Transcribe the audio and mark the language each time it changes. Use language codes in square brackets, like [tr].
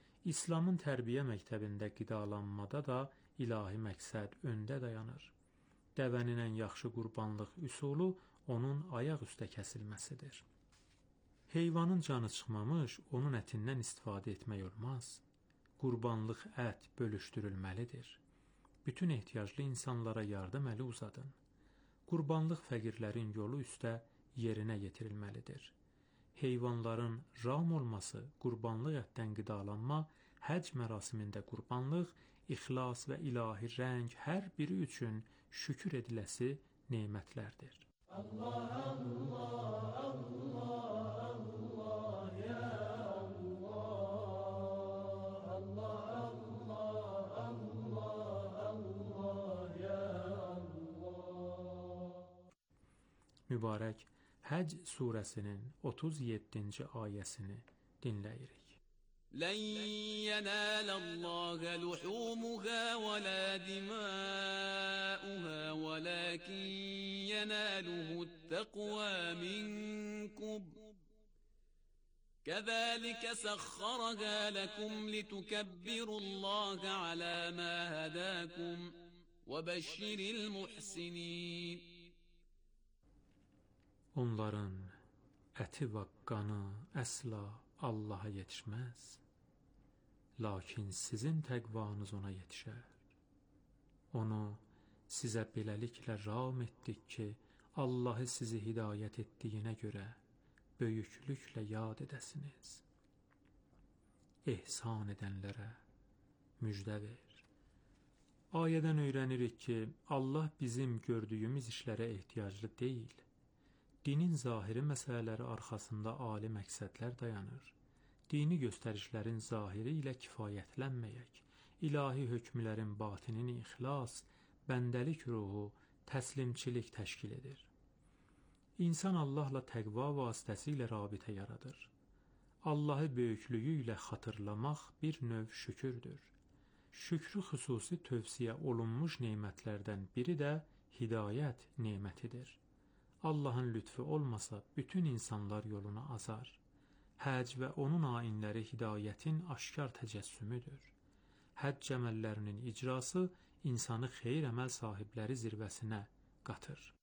[az] İslamın tərbiyə məktəbində qidalanmada da ilahi məqsəd öndə dayanır. Dəvənin ən yaxşı qurbanlıq üsulu onun ayaq üstə kəsilməsidir. Heyvanın canı çıxmamış, onun ətindən istifadə etmək olmaz. Qurbanlıq ət bölüşdürülməlidir. Bütün ehtiyaclı insanlara yardım əli uzadın. Qurbanlıq fəqirlərin yolu üstə yerinə yetirilməlidir. Heyvanların ram olması, qurbanlıq ətdən qidalanma, həcc mərasimində qurbanlıq, ixlas və ilahi rəng hər biri üçün şükür ediləsi nemətlərdir. Allah, Allah, Allah. Mübarək Həcc surəsinin 37-ci ayəsini dinləyirik. [ar] لن ينال الله لحومها ولا دماؤها ولكن يناله التقوى منكم كذلك سخرها لكم لتكبروا الله على ما هداكم وبشر المحسنين. [az] Onların əti və qanı əsla Allaha yetişməz, lakin sizin təqvanız ona yetişər. Onu sizə beləliklə ram etdik ki, Allahı sizi hidayət etdiyinə görə böyüklüklə yad edəsiniz. Ehsan edənlərə müjdə ver. Ayədən öyrənirik ki, Allah bizim gördüyümüz işlərə ehtiyaclı deyil. Dinin zahiri məsələləri arxasında ali məqsədlər dayanır. Dini göstərişlərin zahiri ilə kifayətlənməyək. İlahi hökmlərin batinini ixlas, bəndəlik ruhu, təslimçilik təşkil edir. İnsan Allahla təqva vasitəsi ilə rabitə yaradır. Allahı böyüklüyü ilə xatırlamaq bir növ şükürdür. Şükrü xüsusi tövsiyə olunmuş nemətlərdən biri də hidayət nemətidir. Allahın lütfü olmasa bütün insanlar yoluna azar. Həc və onun ayinləri hidayətin aşkar təcəssümüdür. Həc əməllərinin icrası insanı xeyir əməl sahibləri zirvəsinə qatır.